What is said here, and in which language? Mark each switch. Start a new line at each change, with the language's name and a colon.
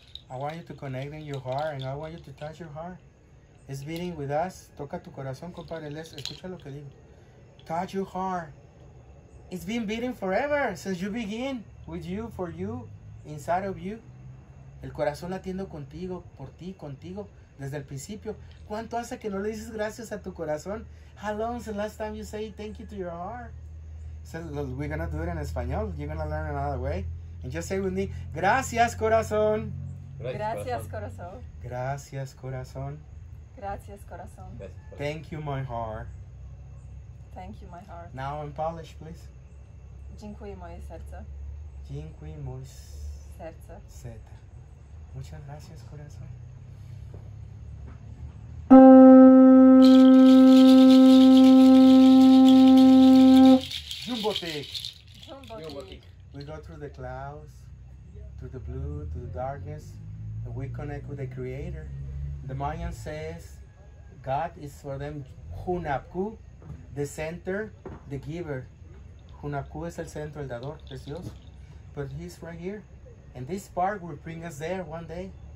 English: I want you to connect in your heart, and I want you to touch your heart. It's beating with us.
Spanish: Toca tu corazón, compadre. Les, escucha lo que digo.
English: Touch your heart. It's been beating forever since you begin with you, for you, inside of you.
Spanish: El corazón latiendo contigo, por ti, contigo, desde el principio. ¿Cuánto hace que no le dices gracias a tu corazón?
English: How long is the last time you say thank you to your heart? So we're going to do it in español. You're going to learn another way. And just say with me,
Spanish: gracias, corazón. Gracias, corazón. Gracias, corazón. Gracias, corazón.
English: Thank you, my heart. Thank you, my heart. Now in Polish, please.
Polish: Dziękuję, moje serce. Dziękuję, moje serce. Serce.
Spanish: Muchas gracias, corazón. Jumbotik. Jumbotik.
English: We go through the clouds, through the blue, through the darkness. We connect with the creator. The Mayan says God is for them Hunapku, the center, the giver.
Spanish: Hunapku es el centro, el dador, es Dios.
English: But he's right here. And this park will bring us there one day.